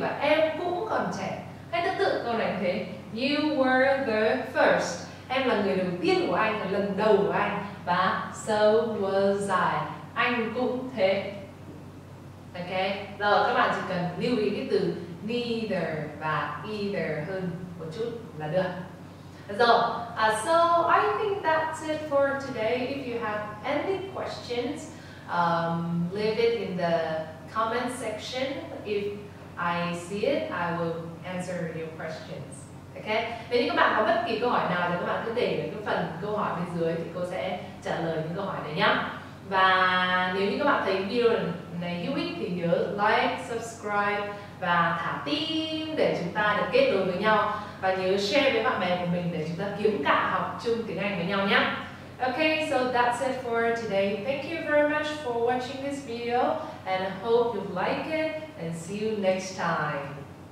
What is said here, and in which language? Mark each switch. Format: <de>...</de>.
<vi>Và em cũng còn trẻ. Hãy tương tự câu này thế.</vi> <en>You were the first.</en> <vi>Em là người đầu tiên của anh, là lần đầu của anh. Và</vi> <en>so was I.</en> <vi>Anh cũng thế. Ok, rồi các bạn chỉ cần lưu ý cái từ neither và either hơn một chút là được.</vi> <en>Rồi, so I think that's it for today. If you have any questions, leave it in the comment section. If I see it, I will answer your questions.</en> <vi>Ok, nếu như các bạn có bất kỳ câu hỏi nào thì các bạn cứ để ở cái phần câu hỏi bên dưới thì cô sẽ trả lời những câu hỏi này nhé. Và nếu như các bạn thấy video này hữu ích thì nhớ like, subscribe và thả tim để chúng ta được kết nối với nhau. Và nhớ share với bạn bè của mình để chúng ta kiếm cả học chung tiếng Anh với nhau nhé.</vi> <en>Ok, so that's it for today. Thank you very much for watching this video and hope you like it and see you next time.</en>